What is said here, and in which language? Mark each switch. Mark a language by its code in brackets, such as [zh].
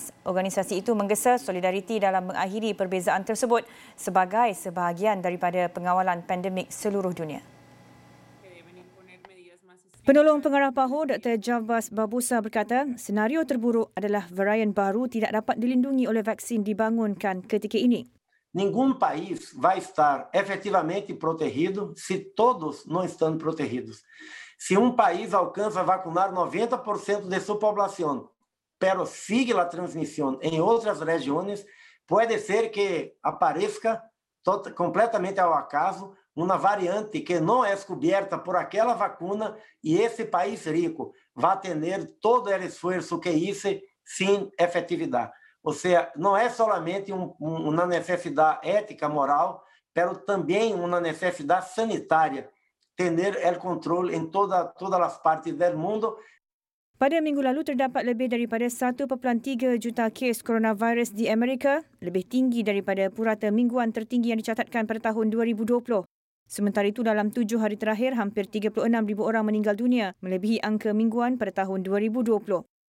[ms] Organisasi itu menggesa solidariti dalam mengakhiri perbezaan tersebut sebagai sebahagian daripada pengawalan pandemik seluruh dunia. Penolong pengarah PAHO, Dr. Javas Babusa berkata, senario terburuk adalah varian baru tidak dapat dilindungi oleh vaksin dibangunkan ketika ini. [pt] Nenhum país vai estar efetivamente protegido se todos não estão protegidos. Se país alcança [es] vacunar 90% [pt] de sua população, [es] pero sigue la transmisión en otras regiones, puede ser que aparezca completamente [pt] ao acaso [es] una variante que no es cubierta por aquella vacuna y ese país rico va a tener todo el esfuerzo que hice sin efectividad. O sea, no es solamente una necesidad ética, moral, pero también una necesidad sanitaria, tener el control en todas las partes del mundo. [ms] Pada minggu lalu terdapat lebih daripada 1.3 juta kes coronavirus di Amerika, lebih tinggi daripada purata mingguan tertinggi yang dicatatkan pada tahun 2020. Sementara itu, dalam 7 hari terakhir, hampir 36,000 orang meninggal dunia, melebihi angka mingguan pada tahun 2020.